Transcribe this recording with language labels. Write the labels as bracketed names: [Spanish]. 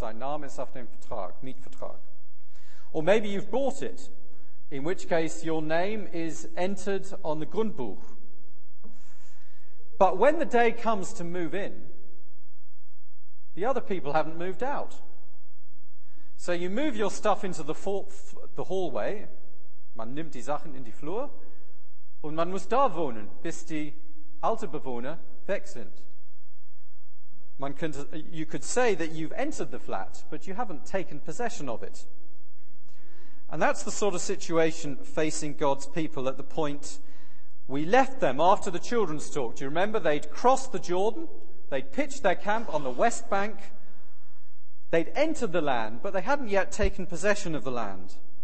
[German] Dein Name ist auf dem Vertrag, Mietvertrag. [English] Or maybe you've bought it, in which case your name is entered on the Grundbuch. But when the day comes to move in, the other people haven't moved out. So you move your stuff into the hallway. [German] Man nimmt die Sachen in die Flur und man muss da wohnen, bis die alte Bewohner weg sind. [English] You could say that you've entered the flat, but you haven't taken possession of it. And that's the sort of situation facing God's people at the point we left them after the children's talk. Do you remember? They'd crossed the Jordan, they'd pitched their camp on the west bank, they'd entered the land, but they hadn't yet taken possession of the land.